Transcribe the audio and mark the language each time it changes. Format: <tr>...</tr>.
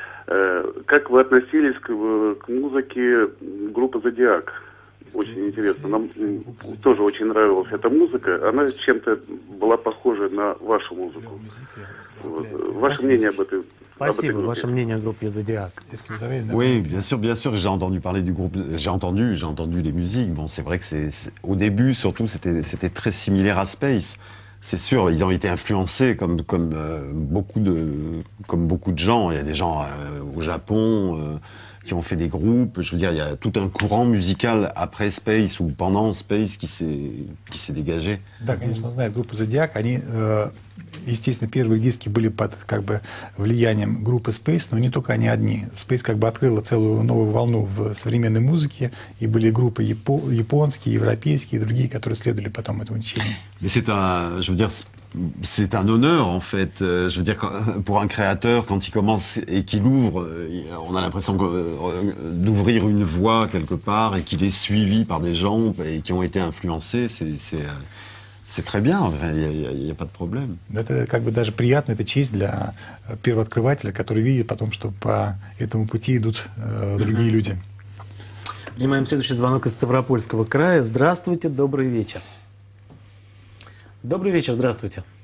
<ru>Как вы относились к музыке группы Зодиак? Очень интересно. Нам тоже очень нравилась эта музыка. Она чем-то была похожа на вашу музыку. Ваше мнение об этой музыке? Спасибо. Ваше мнение о группе Зодиак.</ru> <fr>Oui, bien sûr, j'ai entendu parler du groupe. J'ai entendu les musiques. Bon, c'est vrai que au début, surtout, c'était très similaire à Space. C'est sûr, ils ont été influencés comme beaucoup de gens. Il y a des gens au Japon, qui ont fait des groupes. Je veux dire, il y a tout un courant musical après Space ou pendant Space qui s'est dégagé.</fr> <ru>Да, конечно, он знает группу Zodiac. Они, естественно, первые диски были под как бы влиянием группы Space, но не только они одни. Space как бы открыла целую новую волну в современной музыке, и были группы японские, европейские и другие, которые следовали потом этому течению.</ru> <fr>Mais c'est un, je veux dire, c'est un honneur, en fait. Je veux dire, pour un créateur, quand il commence et qu'il ouvre, on a l'impression que, d'ouvrir une voie quelque part et qu'il est suivi par des gens et qui ont été influencés, c'est très bien, il n'y a pas de problème.</fr> <ru>Это как бы даже приятно, это честь для первооткрывателя, который видит потом, что по этому пути идут другие люди. Принимаем следующий звонок из Ставропольского края. Здравствуйте, добрый вечер. Добрый вечер, здравствуйте.</ru>